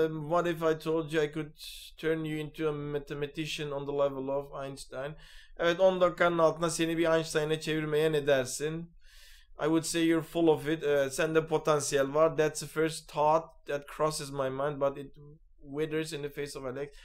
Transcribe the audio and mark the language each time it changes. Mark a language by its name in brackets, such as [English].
[English] What if I told you I could turn you into a mathematician on the level of Einstein? [Turkish] Evet, 10 dakikanın altında seni bir Einstein'a çevirmeye ne dersin? [English] I would say you're full of it. [Turkish] Evet, sende potansiyel var. [English] That's the first thought that crosses my mind, but it withers in the face of a lack.